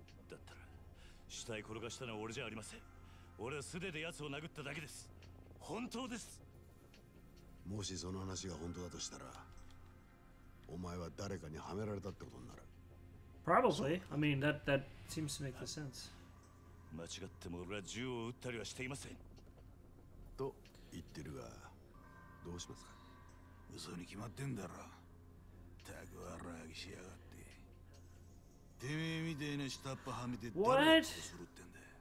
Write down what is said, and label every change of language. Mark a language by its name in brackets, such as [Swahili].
[Japanese] だったら死体転がしたのは俺じゃありません。俺は素手で奴を殴っただけです。本当です。もしその話が本当だとしたら、お前は誰かにはめられたってことになる。 [English] Probably. I mean, that seems to make the sense. [Japanese] 間違っても俺は銃を撃ったりはしていません。と言ってるが、どうしますか。嘘に決まってんだろ。たく荒らぎしやがって。てめえみてえな下っ端はめて誰を殺すってんだ。